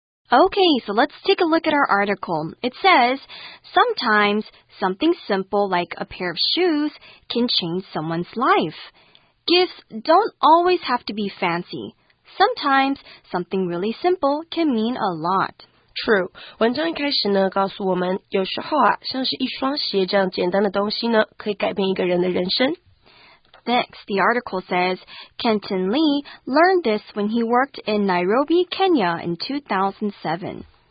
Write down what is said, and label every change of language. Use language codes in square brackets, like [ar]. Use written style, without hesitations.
[en] Okay, so let's take a look at our article. It says, sometimes something simple like a pair of shoes can change someone's life. Gifts don't always have to be fancy. Sometimes something really simple can mean a lot. True. [zh] 文章一开始呢，告诉我们，有时候啊，像是一双鞋这样简单的东西呢，可以改变一个人的人生。 [en] Next, the article says, Kenton Lee learned this when he worked in Nairobi, Kenya in 2007.